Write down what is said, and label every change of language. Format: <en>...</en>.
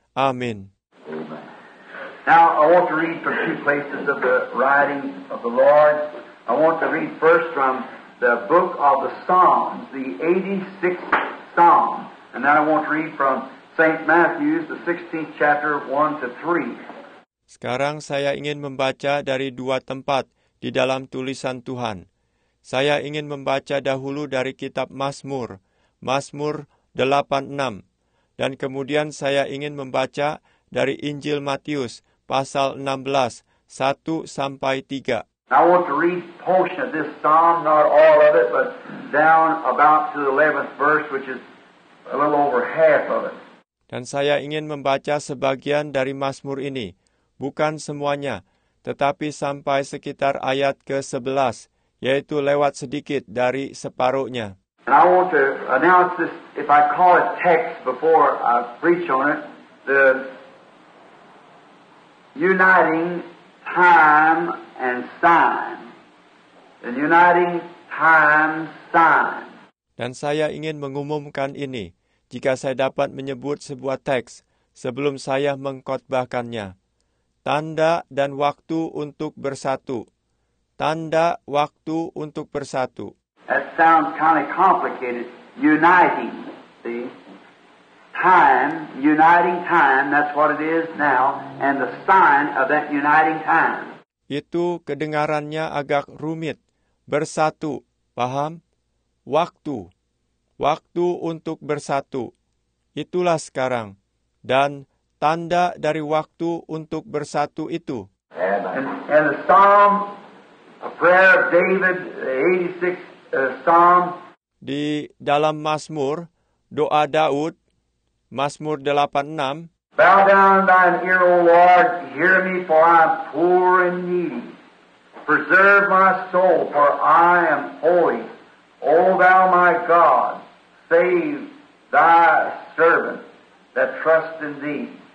<id>Amin.</id> <en>Now I want to read from two places of the writing of the Lord. I want to read first from the book of the Psalms, the 86th Psalm. And then I want to read from St. Matthew's, the 16th chapter, 1 to 3.</en> <id>Sekarang saya ingin membaca dari dua tempat di dalam tulisan Tuhan. Saya ingin membaca dahulu dari kitab Mazmur, Mazmur 86. Dan kemudian saya ingin membaca dari Injil Matius, pasal 16, 1-3.</id> <en>I want to read a portion of this psalm, not all of it, but down about to the 11th verse, which is a little over half of it.</en> <id>Dan saya ingin membaca sebagian dari Mazmur ini, bukan semuanya, tetapi sampai sekitar ayat ke-11, yaitu lewat sedikit dari separuhnya.</id> <en>And I want to announce this, if I call it text before I preach on it, the uniting time and sign. The uniting time sign.</en> <id>Dan saya ingin mengumumkan ini, jika saya dapat menyebut sebuah teks sebelum saya mengkhotbahkannya. Tanda dan waktu untuk bersatu. Tanda waktu untuk bersatu.</id> <en>That sounds kind of complicated. Uniting, see? Time, uniting time, that's what it is now, and the sign of that uniting time.</en> <id>Itu kedengarannya agak rumit. Bersatu, paham? Waktu. Waktu untuk bersatu. Itulah sekarang. Dan tanda dari waktu untuk bersatu itu.</id> <en>And the psalm, a prayer of David, the 86th psalm.</en> <id>Di dalam Mazmur, doa Daud, Mazmur 86.</id> <en>Bow down thine ear, O Lord, hear me, for I am poor and needy. Preserve my soul, for I am holy. O thou my God, save thy servant that trusts in thee.</en>